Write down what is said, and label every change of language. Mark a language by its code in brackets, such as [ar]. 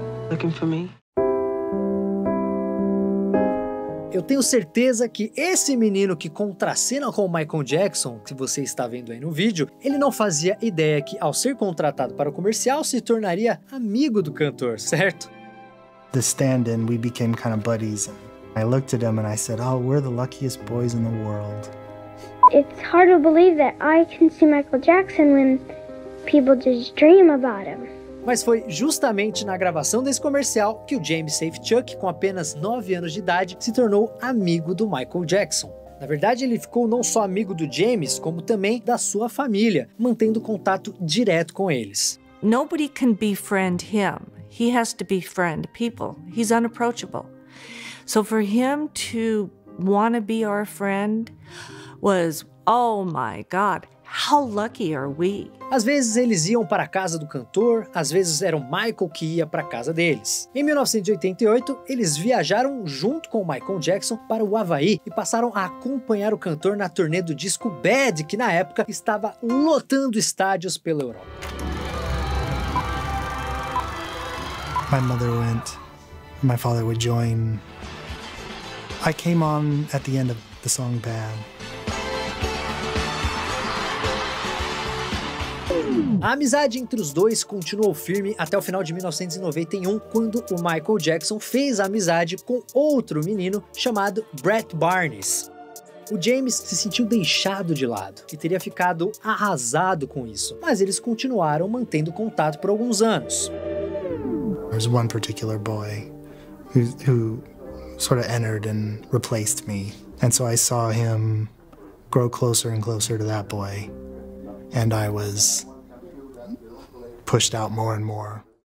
[en] "Looking for me?" [pt] Eu tenho certeza que esse menino que contracena com o Michael Jackson, que você está vendo aí no vídeo, ele não fazia ideia que ao ser contratado para o comercial se tornaria amigo do cantor, certo? [en] The stand-in, we became kind of buddies. I looked at him and I said, "Oh, we're the luckiest boys in the world." It's hard to believe that I can see Michael Jackson when people just dream about him. [pt] Mas foi justamente na gravação desse comercial que o James Safechuck, com apenas 9 anos de idade, se tornou amigo do Michael Jackson. Na verdade, ele ficou não só amigo do James, como também da sua família, mantendo contato direto com eles. [en] Nobody can befriend him. He has to befriend people. He's unapproachable. So for him to want to be our friend was, oh my God, how lucky are we? [pt] Às vezes eles iam para a casa do cantor, às vezes era o Michael que ia para a casa deles. Em 1988, eles viajaram junto com o Michael Jackson para o Havaí e passaram a acompanhar o cantor na turnê do disco Bad, que na época estava lotando estádios pela Europa. [en] My mother went, my father would join. I came on at the end of the song Bad. [pt] A amizade entre os dois continuou firme até o final de 1991, quando o Michael Jackson fez amizade com outro menino chamado Brett Barnes. O James se sentiu deixado de lado e teria ficado arrasado com isso, mas eles continuaram mantendo contato por alguns anos. [en] There's one particular boy who sort of entered and replaced me. And so I saw him grow closer and closer to that boy. And I was pushed out more and more.